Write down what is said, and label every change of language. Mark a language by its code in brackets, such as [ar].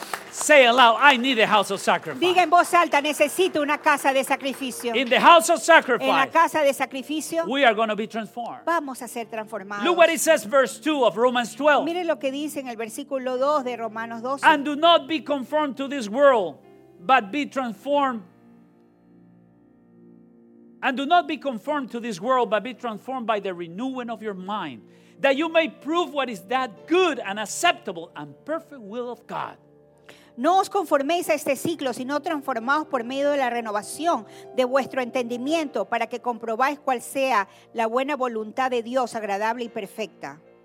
[en] Say aloud, I need a house of sacrifice. [es] Diga en voz alta, necesito una casa de sacrificio. [en] In the house of sacrifice. [es] En la casa de sacrificio. [en] We are going to be transformed. [es] Vamos a ser transformados. [en] Look what it says, verse 2 of Romans 12. [es] Mire lo que dice en el versículo 2 de Romanos 12. [en] And do not be conformed to this world, but be transformed. And do not be conformed to this world, but be transformed by the renewing of your mind, that you may prove what is that good and acceptable and perfect will of God. [es] No os conforméis a este siglo, sino transformaos por medio de la renovación de vuestro entendimiento para que comprobáis cuál sea la buena voluntad de Dios, agradable y perfecta.